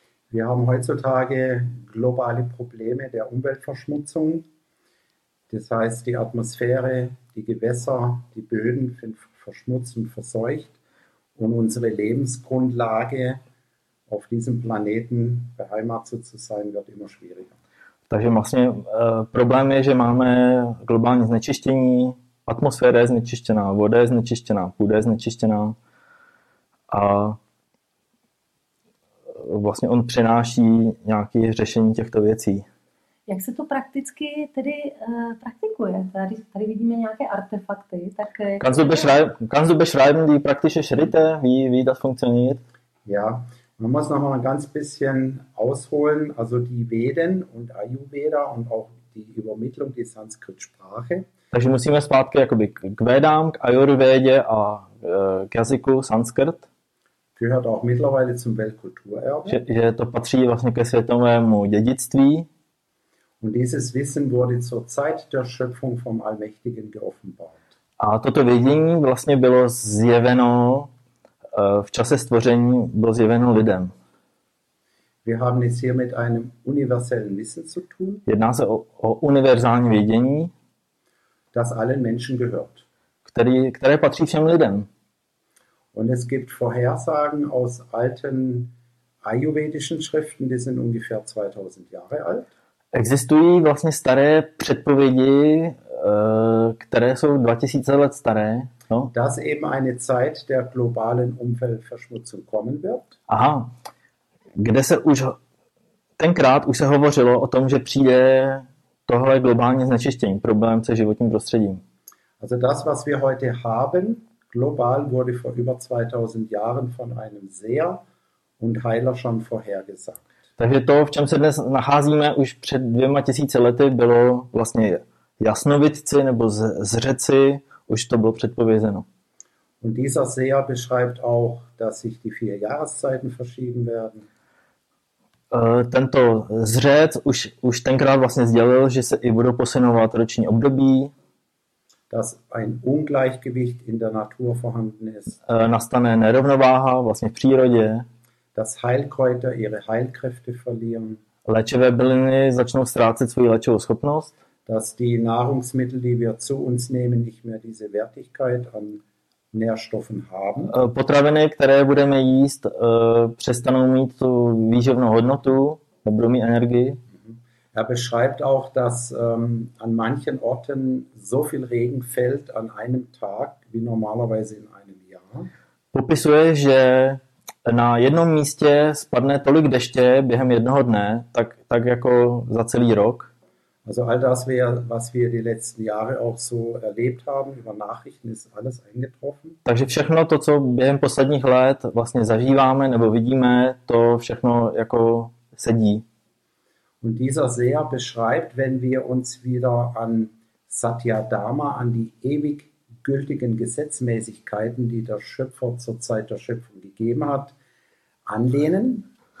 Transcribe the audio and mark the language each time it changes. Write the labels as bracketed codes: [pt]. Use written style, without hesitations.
[de] Wir haben heutzutage globale Probleme der Umweltverschmutzung. Das heißt, die Atmosphäre, die Gewässer, die Böden sind verschmutzt und verseucht. Und unsere Lebensgrundlage auf diesem Planeten beheimatet zu sein, wird immer schwieriger. [cs] Takže vlastně problém je, že máme globální znečištění. Atmosféra je znečištěná, voda je znečištěná, půda je znečištěná. A vlastně on přináší nějaké řešení těchto věcí. Jak se to prakticky tedy praktikuje? Tady vidíme nějaké artefakty. Tak [de] kannst du beschreiben die praktische Schritte, wie das funktioniert? Ja, man muss noch mal ein ganz bisschen ausholen. Also die Veden und Ayurveda und auch die Übermittlung, die Sanskrit-Sprache. [cs] Takže musíme zpátky jakoby k Vedám, k Ayurvédě a k jazyku Sanskrt. [de] Gehört auch mittlerweile zum Weltkulturerbe. [cs] Že to patří vlastně ke světovému dědictví. [de] Und dieses Wissen wurde zur Zeit der Schöpfung vom Allmächtigen geoffenbart. [cs] A toto vědění vlastně bylo zjeveno v čase stvoření, bylo zjeveno lidem. [de] Wir haben es hier mit einem universellen Wissen zu tun. [cs] Jedná se o univerzální vědění, [de] das allen Menschen gehört. [cs] Které patří všem lidem. [de] Und es gibt Vorhersagen aus alten ayurvedischen Schriften, die sind ungefähr 2000 Jahre alt. [cs] Existují vlastně staré předpovědi, které jsou 2000 let staré. No. [de] Dass eben eine Zeit der globalen Umweltverschmutzung kommen wird. [cs] Aha, kde se už, tenkrát už se hovořilo o tom, že přijde tohle globální znečištění, problém se životním prostředím. [de] Also das, was wir heute haben, global wurde vor über 2000 Jahren von einem Seher und Heiler schon vorhergesagt. [cs] Takže to, v čem se dnes nacházíme, už před 2000 lety bylo vlastně jasnovidci nebo zřeci, už to bylo předpovězeno. [de] Und dieser Seher beschreibt auch, dass sich die 4 Jahreszeiten verschieben werden. [cs] Tento zřec už tenkrát vlastně sdělil, že se i budou posunovat roční období. [de] Dass ein Ungleichgewicht in der Natur vorhanden ist. [cs] Nastane nerovnováha vlastně v přírodě. [de] Dass Heilkräuter ihre Heilkräfte verlieren. [cs] Léčivé byliny začnou ztrácet svou léčivou schopnost. [de] Dass die Nahrungsmittel, die wir zu uns nehmen, nicht mehr diese Wertigkeit an Nährstoffen haben. [cs] Potraviny, které budeme jíst, přestanou mít tu výživnou hodnotu, nebudou mít energii. [de] Er beschreibt auch, dass an manchen Orten so viel Regen fällt an einem Tag wie normalerweise in einem Jahr. [cs] Popisuje, že na jednom místě spadne tolik deště během jednoho dne, tak jako za celý rok. [de] Also all das, was wir die letzten Jahre auch so erlebt haben über Nachrichten, ist alles eingetroffen. [cs] Takže všechno to, co během posledních let vlastně zažíváme nebo vidíme, to všechno jako sedí. [de] Und dieser Seher beschreibt, wenn wir uns wieder an Satyadharma, an die ewig gültigen Gesetzmäßigkeiten, die der Schöpfer zur Zeit der Schöpfung gegeben hat, anlehnen.